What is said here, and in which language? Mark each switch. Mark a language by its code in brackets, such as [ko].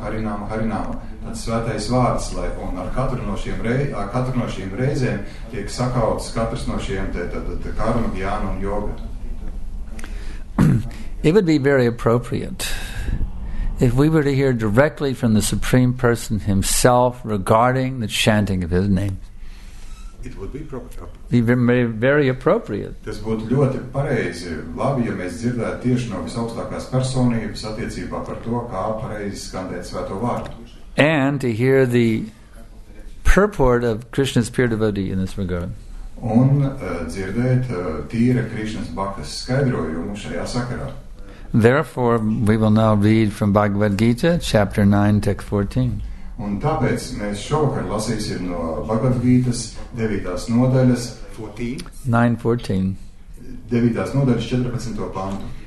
[lv] Tāds svētais vārds, lai un ar katru no šiem reizēm tiek sakauts katrs no šiem karma, jnana, un yoga. [en] It would be very appropriate if we were to hear directly from the Supreme Person himself regarding the chanting of his name. It would be very appropriate. [lv] Tas būtu ļoti pareizi, labi, ja mēs dzirdētu tieši no visaugstākās personības attiecībā par to, kā pareizi skandēt svēto vārdu. [en] And to hear the purport of Krishna's pure devotee in this regard. [lv] Un dzirdēt tīra Krishna's bhaktas skaidrojumu šajā sakarā. [en] Therefore, we will now read from Bhagavad Gita, chapter 9, text 14. [lv] Un tāpēc mēs šovakar lasīsim no Bhagavad Gītas 9. Nodaļas 14. pantu.